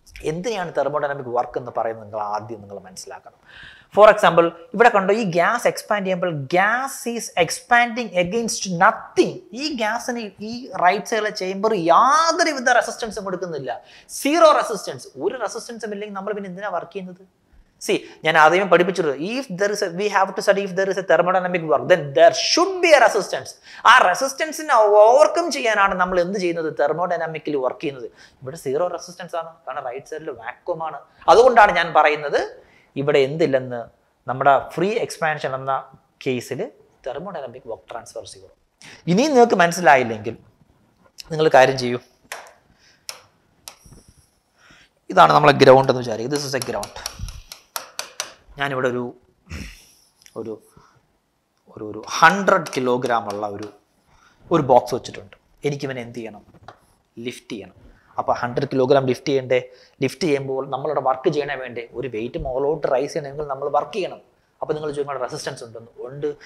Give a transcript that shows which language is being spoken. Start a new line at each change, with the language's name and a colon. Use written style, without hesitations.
Malayalam: എന്തിനാണ് thermodynamic work എന്ന് പറയുന്നത് നിങ്ങൾ ആദ്യം നിങ്ങൾ മനസ്സിലാക്കണം. ഫോർ എക്സാമ്പിൾ ഇവിടെ കണ്ടോ, ഈ ഗ്യാസ് എക്സ്പാൻഡ് ചെയ്യുമ്പോൾ
English: Gas is expanding against nothing.
Malayalam: ഈ ഗ്യാസിന് ഈ റൈറ്റ് സൈഡിലെ ചേംബർ യാതൊരു വിധ റെസിസ്റ്റൻസും കൊടുക്കുന്നില്ല, സീറോ റെസിസ്റ്റൻസ്. ഒരു റെസിസ്റ്റൻസും ഇല്ലെങ്കിൽ നമ്മൾ പിന്നെ എന്തിനാണ് വർക്ക് ചെയ്യുന്നത്?
English: See, if there is a, we have to study if there is a thermodynamic work, then there should be a resistance. Our resistance in overcome the thermodynamic work. But zero resistance on the right side is vacuum. That's why I'm saying that in the free expansion in the case, thermodynamic work transfer is zero. This is the commands. You can see this is a ground. This is a ground.
Malayalam: ഞാൻ ഇവിടെ ഒരു ഒരു ഒരു ഒരു 100 kilograms ഉള്ള ഒരു ഒരു box വെച്ചിട്ടുണ്ട്. എനിക്കിവൻ എന്ത് ചെയ്യണം? ലിഫ്റ്റ് ചെയ്യണം. അപ്പോൾ 100 kilograms ലിഫ്റ്റ് ചെയ്യണ്ടേ? ലിഫ്റ്റ് ചെയ്യുമ്പോൾ നമ്മളിവിടെ വർക്ക് ചെയ്യണ വേണ്ടേ? ഒരു വെയിറ്റ് മുകളിലോട്ട് റൈസ് ചെയ്യണമെങ്കിൽ നമ്മൾ വർക്ക് ചെയ്യണം. അപ്പോൾ നിങ്ങൾ ചോദിക്കുന്ന റെസിസ്റ്റൻസ് ഉണ്ടെന്ന് ഉണ്ട്.